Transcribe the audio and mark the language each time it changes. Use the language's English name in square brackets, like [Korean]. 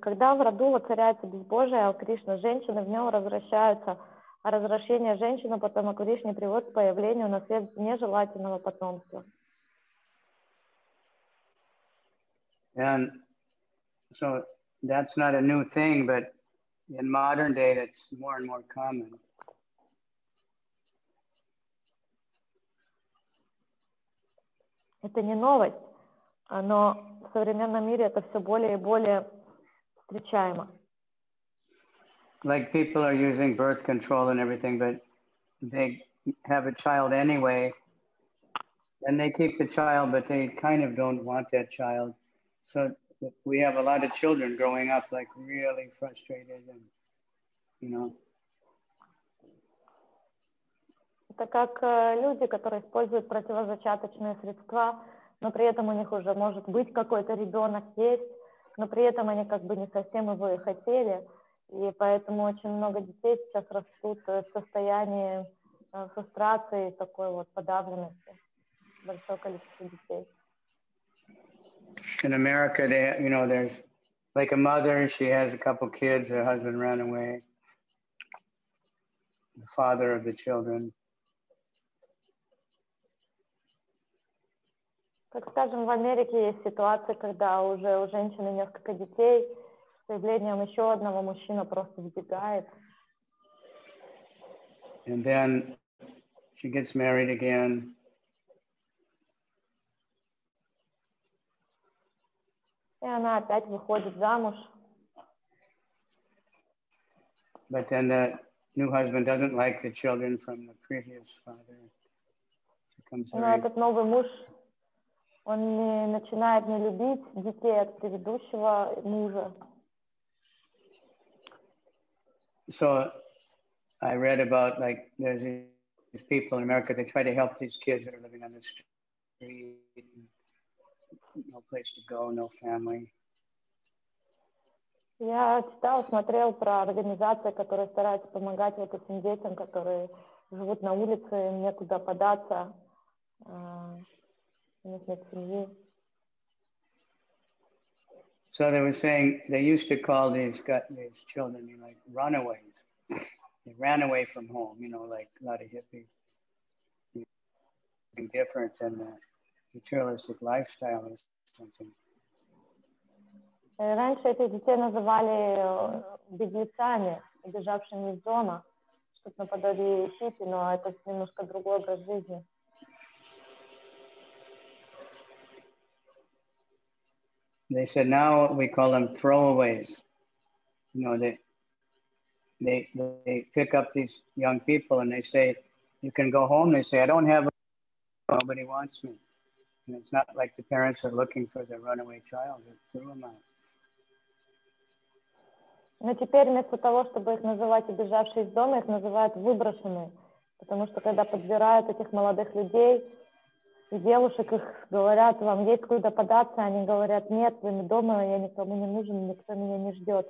[Russian] Когда в роду воцаряется безбожие, О Кришна, женщины в нем развращаются, а развращение женщины потом О Кришне приводит к появлению на свет нежелательного потомства. [English] And so that's not a new thing, but in modern day, that's more and more common. [Russian] Это не новость, но в современном мире это все более и более встречаемо. [English] Like people are using birth control and everything, but they have a child anyway, and they keep the child, but they kind of don't want that child. So we have a lot of children growing up like really frustrated and, you know. [Russian] Это как люди, которые используют противозачаточные средства, но при этом у них уже может быть какой-то ребенок есть, но при этом они как бы не совсем его и хотели, и поэтому очень много детей сейчас растут в состоянии фрустрации, такой вот подавленности, большое количество детей. [English] In America, they, you know, there's like a mother, she has a couple kids, her husband ran away, the father of the children. [Russian] Как скажем, в Америке есть ситуации, когда уже у женщины несколько детей, с появлением еще одного мужчина просто сбегает. [English] And then she gets married again. [Russian] И она опять выходит замуж. [English] But then the new husband doesn't like the children from the previous father. [Russian] Но этот новый муж, он начинает не любить детей от предыдущего мужа. [English] So I read about like there's these people in America, they try to help these kids that are living on the street. No place to go, no family. [Russian] Я читал, смотрел про организации, которые стараются помогать вот этим детям, которые живут на улице, им некуда податься, у них нет семьи. [English] So they were saying they used to call these children, you know, like runaways. They ran away from home, you know, like a lot of hippies. Be different than that. Materialistic lifestyle is something. [Russian] Раньше этих детей называли беглецами, убежавшими из дома, что-то наподобие хиппи, но это немножко другой образ жизни. [English] They said now we call them throwaways. You know, they pick up these young people and they say, you can go home. They say, I don't have a, nobody wants me. And it's not like the parents are looking for their runaway child. They threw them out. [Russian] Но теперь вместо того, чтобы их называть убежавшие из дома, их называют выброшенные. Потому что когда подбирают этих молодых людей и девушек, их говорят, вам есть куда податься, они говорят, нет, вы не дома, я никому не нужен, никто меня не ждет.